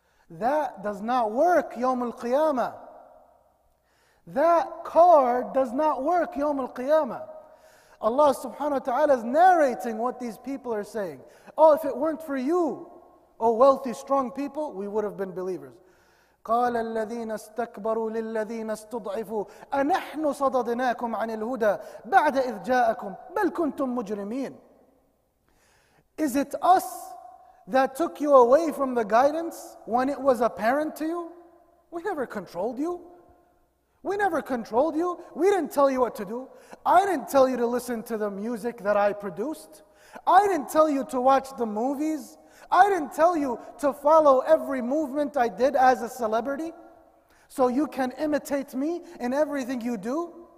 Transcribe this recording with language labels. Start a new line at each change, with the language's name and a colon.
English: That does not work, Yawm al-Qiyamah. That card does not work, Yawm al-Qiyamah. Allah subhanahu wa ta'ala is narrating what these people are saying. Oh, if it weren't for you, oh wealthy, strong people, we would have been believers.
Arabic: قال الذين استكبروا للذين استضعفوا أنحن صددناكم عن الهدى بعد إذ جاءكم بل كنتم مجرمين.
English: Is it us that took you away from the guidance when it was apparent to you? We never controlled you. We never controlled you. We didn't tell you what to do. I didn't tell you to listen to the music that I produced. I didn't tell you to watch the movies. I didn't tell you to follow every movement I did as a celebrity so you can imitate me in everything you do.